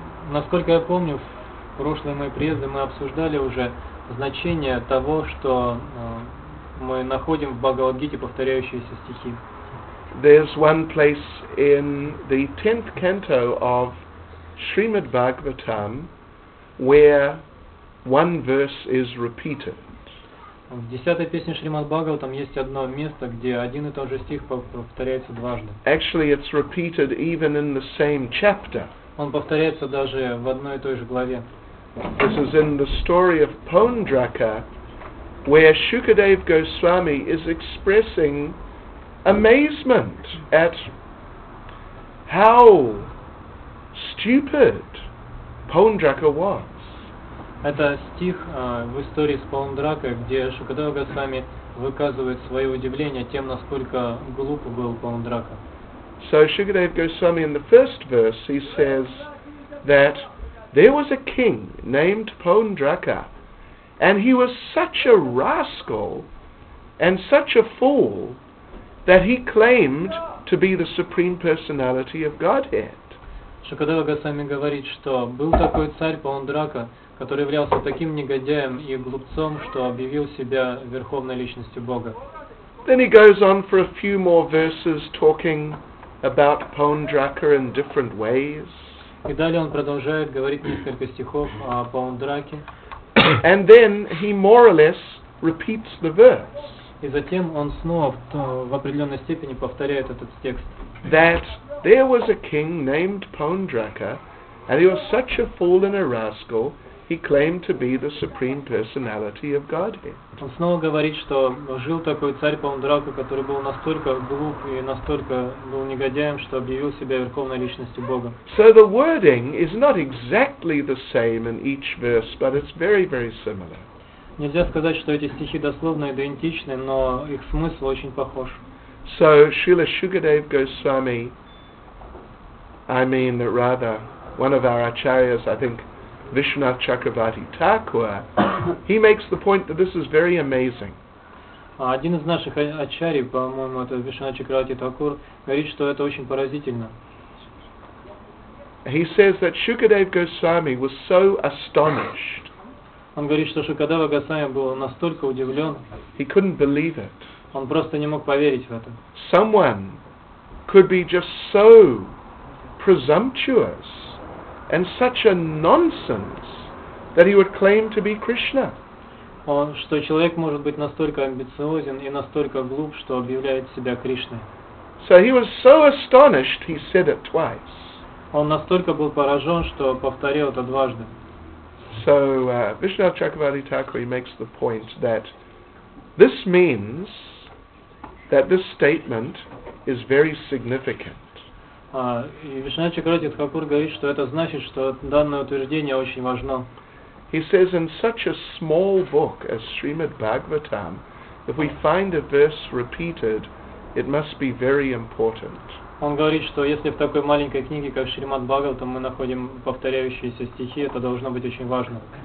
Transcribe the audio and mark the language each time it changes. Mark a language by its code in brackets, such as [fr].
[ru] Насколько я помню, в прошлые мои приезды мы обсуждали уже значение того, что мы находим в Бхагавад-гите повторяющиеся стихи. [en] There's one place in the 10th canto of Srimad Bhagavatam where one verse is repeated. [ru] В 10-й песне Шримад Бхагаватам есть одно место, где один и тот же стих повторяется дважды. [en] Actually, it's repeated even in the same chapter. [ru] Он повторяется даже в одной и той же главе. [en] This is in the story of Pondraka, where Shukadev Goswami is expressing amazement at how stupid Pondraka was. [ru] Это стих в истории с Пондракой, где Шукадева Госвами выказывает свое удивление тем, насколько глуп был Пондрака. [en] So Shukadev Goswami in the first verse he says that there was a king named Pondraka, and he was such a rascal and such a fool that he claimed to be the supreme personality of Godhead. [ru] Шукадева Госвами говорит, что был такой царь Паундрака, который являлся таким негодяем и глупцом, что объявил себя верховной личностью Бога. [en] Then he goes on for a few more verses talking about Pondraka in different ways. [ru] И далее он продолжает говорить несколько стихов о Паундраке. [en] And then he more or less repeats the verse. [ru] И затем он снова в определенной степени повторяет этот текст. [en] That there was a king named Pondraka, and he was such a fool and a rascal, He claimed to be the Supreme Personality of Godhead. [ru] Он снова говорит, что жил такой царь Паундрапа, который был настолько глуп и настолько был негодяем, что объявил себя верховной личностью Бога. [en] So the wording is not exactly the same in each verse, but it's very, very similar. [ru] Нельзя сказать, что эти стихи дословно идентичны, но их смысл очень похож. [en] So Srila Shukadeva Goswami, one of our acharyas, I think, Vishwanath Chakravarti Thakur, he makes the point that this is very amazing. [ru] Один из наших ачарий, по-моему, это Вишванат Чакравати Такур, говорит, что это очень поразительно. [en] He says that Shukadeva Goswami was so astonished. [ru] Он говорит, что Шукадева Госвами был настолько удивлен. [en] He couldn't believe it. [ru] Он просто не мог поверить в это. [en] Someone could be just so presumptuous and such a nonsense that he would claim to be Krishna. [ru] Он, что человек может быть настолько амбициозен и настолько глуп, что объявляет себя Кришной. [en] So he was so astonished, he said it twice. [ru] Он настолько был поражен, что повторил это дважды. [en] So Vishnu Chakravarti Thakur makes the point that this means that this statement is very significant. [ru] И Вишванат Чакравати Такур говорит, что это значит, что данное утверждение очень важно. [en] He says in such a small book as Srimad Bhagavatam, if we find a verse repeated, it must be very important. [ru] Он говорит, что если в такой маленькой книге, как Шримад Бхагаватам, мы находим повторяющиеся стихи, это должно быть очень важно.